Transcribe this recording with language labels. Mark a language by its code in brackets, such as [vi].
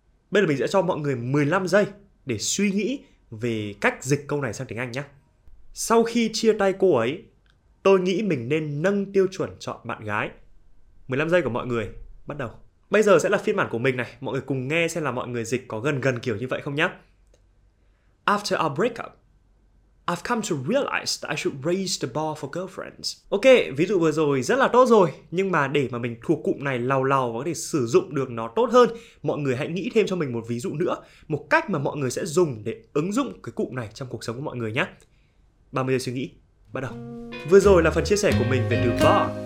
[vi] Bây giờ mình sẽ cho mọi người 15 giây để suy nghĩ về cách dịch câu này sang tiếng Anh nhé. Sau khi chia tay cô ấy, tôi nghĩ mình nên nâng tiêu chuẩn chọn bạn gái. 15 giây của mọi người, bắt đầu. Bây giờ sẽ là phiên bản của mình này. Mọi người cùng nghe xem là mọi người dịch có gần kiểu như vậy không nhé. [en] After our breakup, I've come to realize that I should raise the bar for girlfriends. [vi] Ok, ví dụ vừa rồi rất là tốt rồi. Nhưng mà để mà mình thuộc cụm này lào lào và có thể sử dụng được nó tốt hơn, mọi người hãy nghĩ thêm cho mình một ví dụ nữa. Một cách mà mọi người sẽ dùng để ứng dụng cái cụm này trong cuộc sống của mọi người nhé. 30 giây suy nghĩ, bắt đầu. Vừa rồi là phần chia sẻ của mình về từ bar.